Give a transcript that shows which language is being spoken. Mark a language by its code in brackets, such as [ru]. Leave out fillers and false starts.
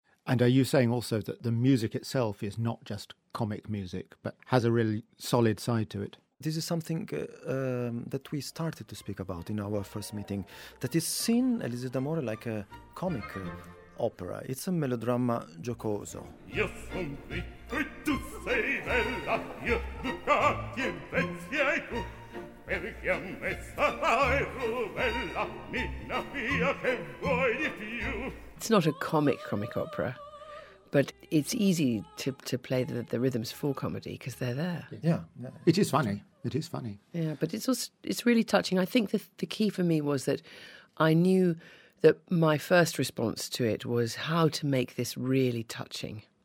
[en] And are you saying also that the music itself is not just comic music, but has a really solid side to it? This is something that we started to speak about in our first meeting, that is seen, L'Elisir d'Amore, like a comic opera. It's a melodramma giocoso. [it] Io son qui e tu sei bella, io ducati e pensieri tu, perché a me sarai bella, minna mia che vuoi di più. [en] It's not a comic opera, but it's easy to play the rhythms for comedy, because they're there. Yeah. It is funny. It is funny. Yeah, but it's also, it's really touching. I think the key for me was that I knew that my first response to it was how to make this really touching.